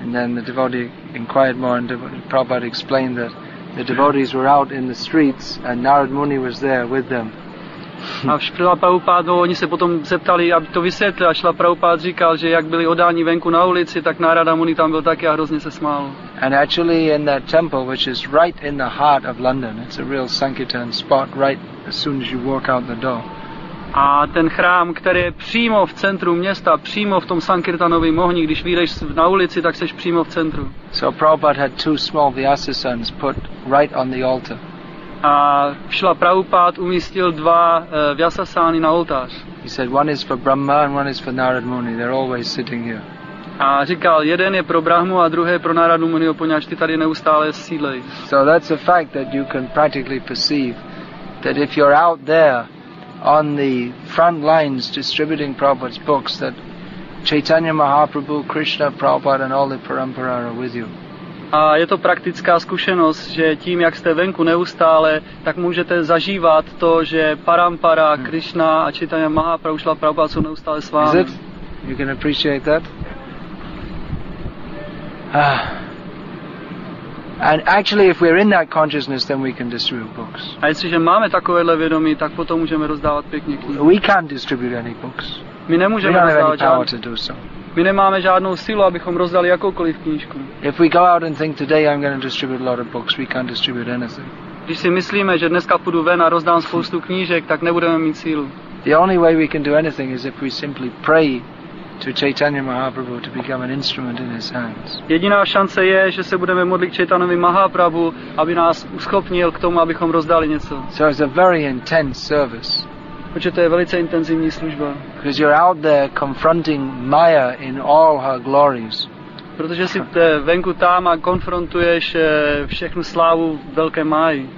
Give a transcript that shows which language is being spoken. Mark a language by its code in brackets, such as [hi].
[en] And then the devotee inquired more and Prabhupada explained that the devotees were out in the streets and Narad Muni was there with them. [cs] A Šila Prabhupád, no, oni se potom zeptali, aby to vysvětlil, a Šila Prabhupád říkal, že jak byli odáni venku na ulici, tak Narada Muni tam byl taky a hrozně se smál. [en] And actually in that temple, which is right in the heart of London, it's a real Sankirtan spot right as soon as you walk out the door. [cs] A ten chrám, který je přímo v centru města, přímo v tom Sankirtanovém ohni, když vyjdeš na ulici, tak seš přímo v centru. [en] So Prabhupád had two small Vyasa sons put right on the altar. [cs] A Šila Prabhupád umístil dva vyasasány na oltář. [en] He said one is for Brahma and one is for Narad Muni. They're always sitting here. [cs] A říkal, jeden je pro Brahmu a druhý pro Narada Muni, poněvadž ty tady neustále sídlej. [en] So that's a fact that you can practically perceive that if you're out there on the front lines distributing Prabhupada's books, that Chaitanya Mahaprabhu, Krishna, Prabhupada and all the parampara are with you. [cs] A je to praktická zkušenost, že tím, jak jste venku neustále, tak můžete zažívat to, že parampara, Krishna a Chaitanya Mahaprabhu, Šila Prabhupada jsou neustále s vámi. [en] Is it? You can appreciate that. And actually, if we're in that consciousness, then we can distribute books. [cs] A jestliže máme takovéhle vědomí, tak potom můžeme rozdávat pěkně knihy. [en] We can't distribute any books. [cs] My nemůžeme rozdávat žádný. [en] Power to do so. [cs] My nemáme žádnou sílu, abychom rozdali jakoukoliv knížku. [en] If we go out and think today I'm going to distribute a lot of books, we can't distribute anything. [cs] Když si myslíme, že dneska půjdu ven a rozdám spoustu knížek, tak nebudeme mít sílu. [en] The only way we can do anything is if we simply pray to Chaitanya Mahaprabhu to become an instrument in his hands. [cs] Jediná šance je, že se budeme modlit k Chaitanovi Mahaprabhu, aby nás uschopnil k tomu, abychom rozdali něco. [en] So it's a very intense service. [cs] Protože to je velice intenzivní služba. [en] Because you're out there confronting Maya in all her glories. [cs] Protože si venku tam a konfrontuješ všechnu slávu velké Máji.